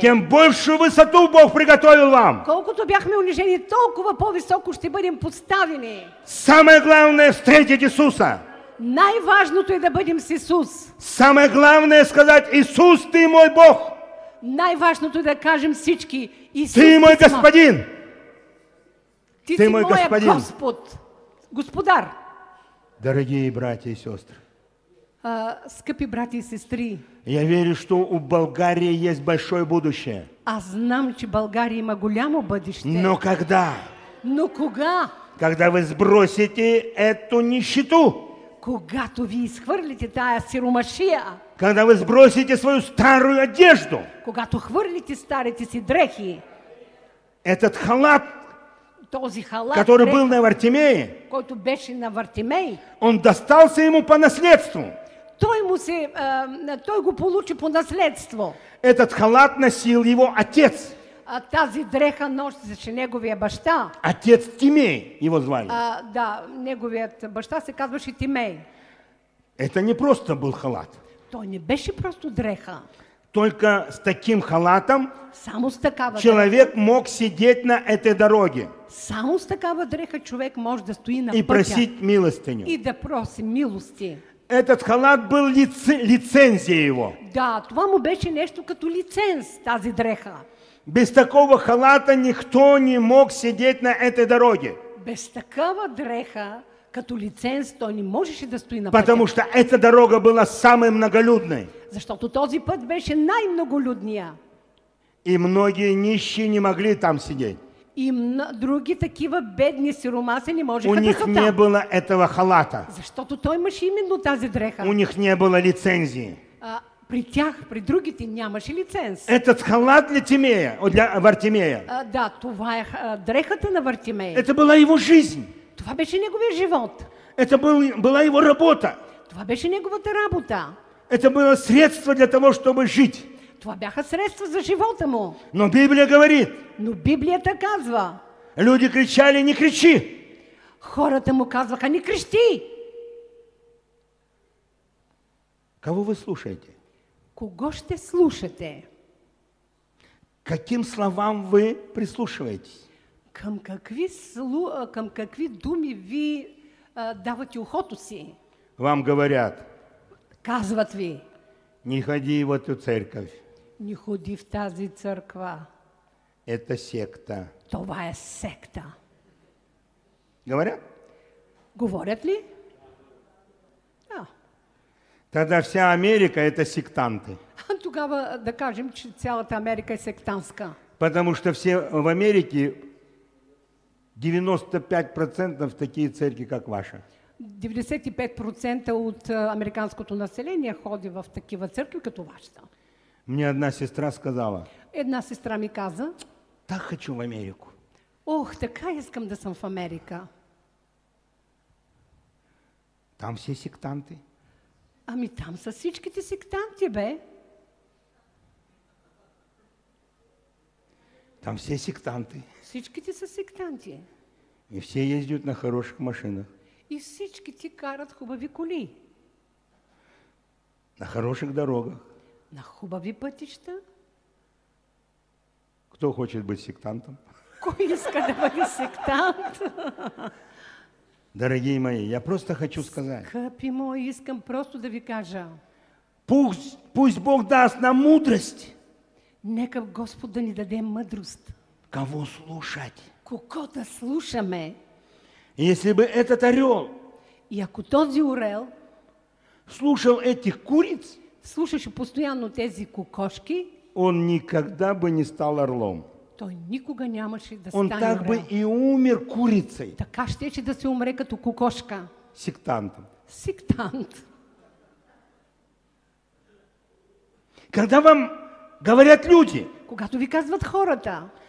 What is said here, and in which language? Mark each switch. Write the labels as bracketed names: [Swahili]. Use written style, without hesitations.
[Russian] Тем большую высоту Бог приготовил вам. [Bulgarian] Колкото бяхме унижени, толкова по-високо ще бъдем поставени. [Russian] Самое главное встретить Иисуса. [Bulgarian] Най-важното е да бъдем с Исус. [Russian] Самое главное сказать: Иисус, ты мой Бог. [Bulgarian] Най-важното е да кажем всички: Иисус, [Russian] ты мой Господин. Ты мой господин. Господар. Дорогие братья и сестры. [Bulgarian] Скъпи братья и сестры. [Russian] Я верю, что у Болгарии есть большое будущее. [Bulgarian] А знам, че България има голямо бъдеще. [Russian] Но когда? [Bulgarian] Но кога? [Russian] Когда вы сбросите эту нищету? [Bulgarian] Когато ви изхвърлите тая сиромашия? [Russian] Когда вы сбросите свою старую одежду? [Bulgarian] Когато хвърлите старите си дрехи? [Russian] Этот халат? [Bulgarian] Този халат, [Russian] который был на Вартимее, [Bulgarian] който беше на Вартимей, [Russian] он достался ему по наследству. [Bulgarian] Той му се, той го получи по наследство. [Russian] Этот халат носил его отец. [Bulgarian] А тази дреха носеше неговия баща. [Russian] Отец Тимей его звали. [Bulgarian] Да, неговият баща се казваше Тимей. [Russian] Это не просто был халат. [Bulgarian] Той не беше просто дреха. [Russian] Только с таким халатом [Bulgarian] само с такава [Russian] человек дреха мог сидеть на этой дороге. [Bulgarian] Само с такава дреха човек може да стои на пътя и [Russian] просить милостыню. [Bulgarian] И да проси милости. [Russian] Этот халат был лицензией его. [Bulgarian] Да, това му беше нещо като лиценз, тази дреха. [Russian] Без такого халата никто не мог сидеть на этой дороге. [Bulgarian] Без такава дреха като лиценз той не можеше да стои на пътя. [Russian] Потому что эта дорога была самой многолюдной. [Bulgarian] Защото този път беше най-многолюдния. [Russian] И многие нищие не могли там сидеть. [Bulgarian] И други такива бедни сиромаси не можеха да са там. [Russian] У них не было этого халата. [Bulgarian] Защото той имаше именно тази дреха. [Russian] У них не было лицензии. [Bulgarian] При тях, при другите нямаше лиценз. [Russian] Этот халат для Тимея, для Вартимея. [Bulgarian] Да, това е дрехата на Вартимея. [Russian] Это была его жизнь. [Bulgarian] Това беше неговия живот. [Russian] Это была его работа. [Bulgarian] Това беше неговата работа. [Russian] Это было средство для того, чтобы жить. [Bulgarian] Това бяха средства за живота му. [Russian] Но Библия говорит. [Bulgarian] Но Библията казва. [Russian] Люди кричали: не кричи. [Bulgarian] Хората му казваха: не крещи. [Russian] Кого вы слушаете? [Bulgarian] Кого ще слушате? [Russian] Каким словам вы прислушиваетесь? [Bulgarian] Към какви, към какви думи ви давате ухото си? [Russian] Вам говорят. [Bulgarian] Казват ви. [Russian] Не ходи в эту церковь. [Bulgarian] Не ходи в тази църква. [Russian] Это секта. [Bulgarian] Това е секта. [Russian] Говорят? [Bulgarian] Говорят ли? Да. [Russian] Тогда вся Америка – это сектанты. [Bulgarian] Тогава да кажем, че цялата Америка е сектантска. [Russian] Потому что все в Америке 95% такие церкви, как ваша. [Bulgarian] 95% от американското население ходи в такива църкви, като вашата. [Russian] Мне одна сестра сказала. [Bulgarian] Една сестра ми каза. [Russian] Так хочу в Америку. [Bulgarian] Ох, така искам да съм в Америка. [Russian] Там все сектанты. [Bulgarian] Ами там са всичките сектанти, бе. [Russian] Там все сектанты. [Bulgarian] Всичките са сектанти. [Russian] И все ездят на хороших машинах. [Bulgarian] И всички ти карат хубави коли. [Russian] На хороших дорогах. [Bulgarian] На хубави пътища. [Russian] Кто хочет быть сектантом? [Bulgarian] Кой искал быть сектант? [Russian] Дорогие мои, я просто хочу сказать. [Bulgarian] Скъпи мой, искам просто да ви кажа. [Russian] Пусть Бог даст нам мудрость. [Bulgarian] Нека Господ да ни даде мъдрост. [Russian] Кого слушать? [Bulgarian] Кого да слушаме? [Russian] Если бы этот орел. [Bulgarian] И ако този орел. [Russian] Слушал этих куриц. [Bulgarian] Слушаше постоянно тези кокошки. [Russian] Он никогда бы не стал орлом. [Bulgarian] Той никога нямаше да стане. [Russian] Он так бы и умер курицей. [Bulgarian] Така щеше да се умре като кокошка. [Russian] Сектантом. [Bulgarian] Сектант. [Russian] Когда вам говорят люди. [Bulgarian] Когато ви казват хората.